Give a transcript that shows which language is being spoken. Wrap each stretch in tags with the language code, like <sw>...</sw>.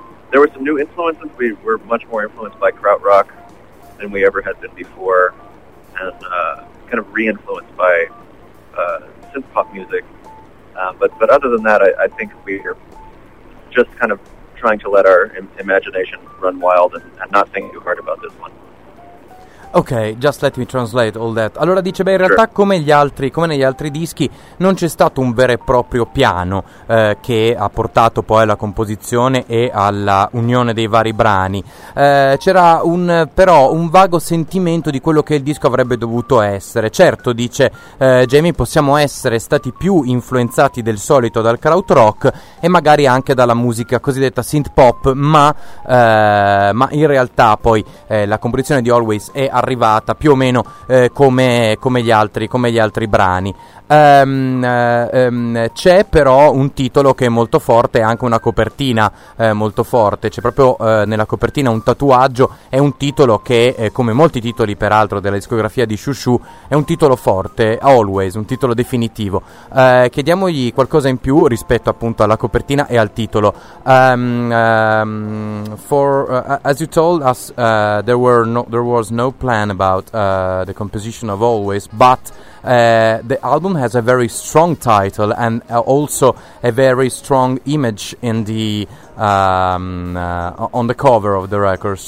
<en>There were some new influences. We were much more influenced by krautrock than we ever had been before, and kind of re-influenced by synth-pop music. But other than that, I think we're just kind of trying to let our imagination run wild and not think too hard about this one. Ok, just let me translate all that.</en> <it>Allora dice, beh, in realtà come gli altri, come negli altri dischi, non c'è stato un vero e proprio piano che ha portato poi alla composizione e alla unione dei vari brani. C'era però un vago sentimento di quello che il disco avrebbe dovuto essere. Certo, dice Jamie, possiamo essere stati più influenzati del solito dal krautrock e magari anche dalla musica cosiddetta synth pop, ma in realtà poi la composizione di Always è arrivata più o meno come gli altri brani. C'è però un titolo che è molto forte e anche una copertina molto forte. C'è proprio nella copertina un tatuaggio. È un titolo che, come molti titoli peraltro della discografia di Shushu, è un titolo forte, Always, un titolo definitivo. Chiediamogli qualcosa in più rispetto appunto alla copertina e al titolo.</it> <en>As you told us, there was no plan about the composition of Always, but the album has a very strong title and also a very strong image in the on the cover of the record.</en>